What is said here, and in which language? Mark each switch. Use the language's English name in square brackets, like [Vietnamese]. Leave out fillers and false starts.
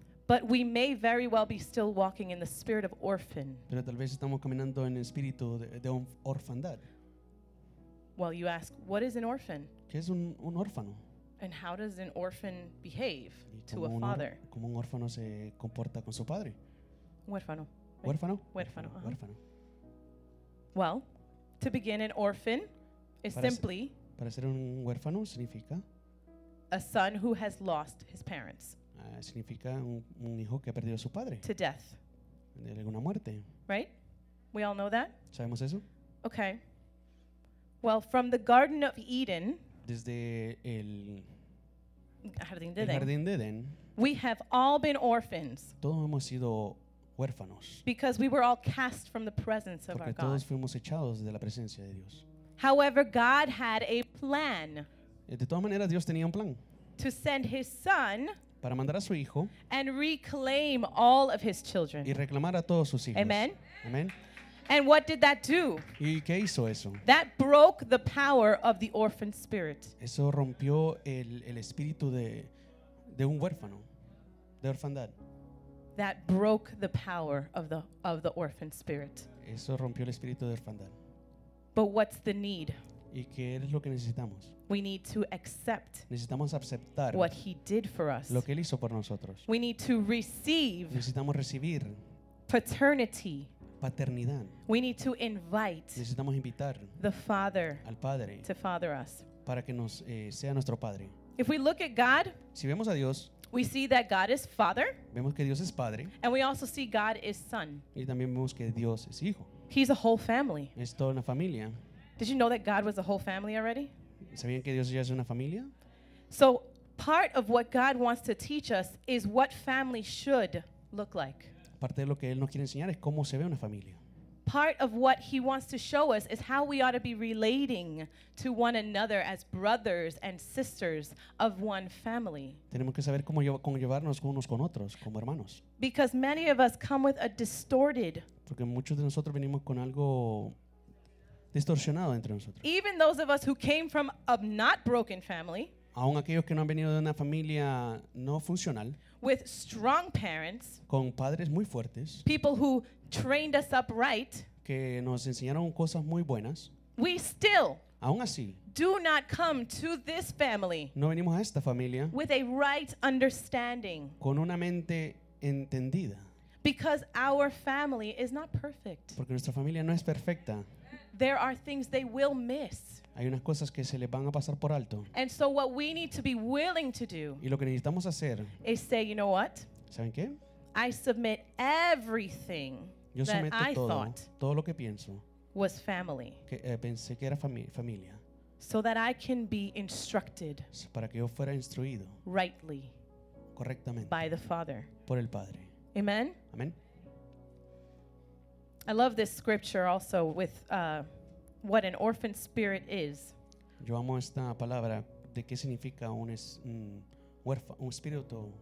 [English] But we may very well be still walking in the spirit of orphan. [Spanish] Pero tal vez estamos caminando en el espíritu de orfandad. [English] Well, you ask, what is an orphan? [Spanish] ¿Qué es un órfano? [English] And how does an orphan behave to a father? [Spanish] ¿Cómo un órfano se comporta con su padre? Huérfano. Huérfano. Huérfano. Huérfano. [English] Well, To begin an orphan is simply [Spanish] para ser un huérfano significa [English] a son who has lost his parents. [Spanish] Significa un hijo que ha perdido a su padre. [English] To death. [Spanish] De alguna muerte. [English] Right? We all know that? [Spanish] ¿Sabemos eso? [English] Okay. Well, from the Garden of Eden, [Spanish] desde el Jardín de Edén, [English] we have all been orphans. [Spanish] Todos hemos sido huérfanos. [English] Because we were all cast from the presence of [Spanish] porque [English] our God. [Spanish] Todos fuimos echados de la presencia de Dios. [English] However, God had a plan. [Spanish] De todas maneras, Dios tenía un plan. [English] To send his son [Spanish] para mandar a su hijo [English] and reclaim all of his children. [Spanish] Y reclamar a todos sus hijos. [English] Amen. [Spanish] Amen. [English] And what did that do? [Spanish] ¿Y qué hizo eso? [English] That broke the power of the orphan spirit. [Spanish] Eso rompió el espíritu de un huérfano, de orfandad. [English] That broke the power of the orphan spirit. [Spanish] Eso rompió el espíritu de orfandad. [English] But what's the need? [Spanish] ¿Y qué es lo que necesitamos? [English] We need to accept. [Spanish] Necesitamos aceptar [English] what he did for us. [Spanish] Lo que él hizo por nosotros. [English] We need to receive. [Spanish] Necesitamos recibir [English] paternity. [Spanish] Paternidad. [English] We need to invite [Spanish] necesitamos invitar [English] the Father [Spanish] al Padre [English] to father us. [Spanish] Para que nos sea nuestro Padre. [English] If we look at God, [Spanish] si vemos a Dios, [English] we see that God is Father. [Spanish] Vemos que Dios es Padre. [English] And we also see God is Son. [Spanish] Y también vemos que Dios es Hijo. [English] He's a whole family. [Spanish] Es toda una familia. [English] Did you know that God was a whole family already? [Spanish] ¿Sabían que Dios ya es una familia? [English] So part of what God wants to teach us is what family should look like. [Spanish] Parte de lo que él nos quiere enseñar es cómo se ve una familia. [English] Part of what he wants to show us is how we ought to be relating to one another as brothers and sisters of one family. [Spanish] Tenemos que saber cómo llevarnos unos con otros, como hermanos. [English] Because many of us come with a distorted. [Spanish] Porque muchos de nosotros venimos con algo distorsionado entre nosotros. [English] Even those of us who came from a not broken family. [Spanish] Aún aquellos que no han venido de una familia no funcional. [English] With strong parents, [Spanish] con padres muy fuertes, [English] people who trained us upright, [Spanish] que nos enseñaron cosas muy buenas, [English] we still, [Spanish] aún así, [English] do not come to this family, [Spanish] no venimos a esta familia, [English] with a right understanding, [Spanish] con una mente entendida, [English] because our family is not perfect, [Spanish] porque nuestra familia no es perfecta, [English] there are things they will miss. [Spanish] Hay unas cosas que se les van a pasar por alto. [English] And so what we need to be willing to do [Spanish] y lo que necesitamos hacer [English] is say, you know what? [Spanish] ¿Saben qué? [English] I submit everything [Spanish] yo [English] that I [Spanish] todo, [English] thought [Spanish] todo lo que pienso, [English] was family [Spanish] que, pensé que era familia, [English] so that I can be instructed [Spanish] para que yo fuera instruido [English] rightly [Spanish] correctamente [English] by the Father. [Spanish] Por el Padre. [English] Amen? [Spanish] Amen. [English] I love this scripture also with what an orphan spirit is. [Spanish] Yo amo esta palabra de qué significa un espíritu.